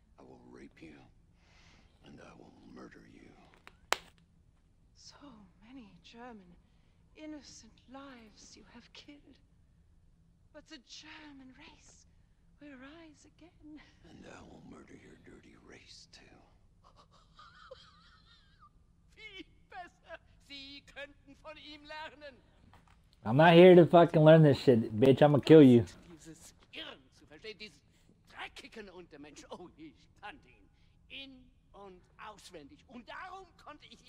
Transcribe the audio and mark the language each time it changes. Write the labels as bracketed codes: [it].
[en] I will rape you. And I will murder you. So many German innocent lives you have killed. But the German race will rise again. And I will murder your dirty race too. [de] Viel besser. Sie könnten von ihm lernen. [en] I'm not here to fucking learn this shit, bitch. I'm gonna kill you. [de] Dieses Hirn zu verstehen, dieses dreckigen Untermensch. Oh, ich kannte ihn in- und auswendig. Und darum konnte ich ihn.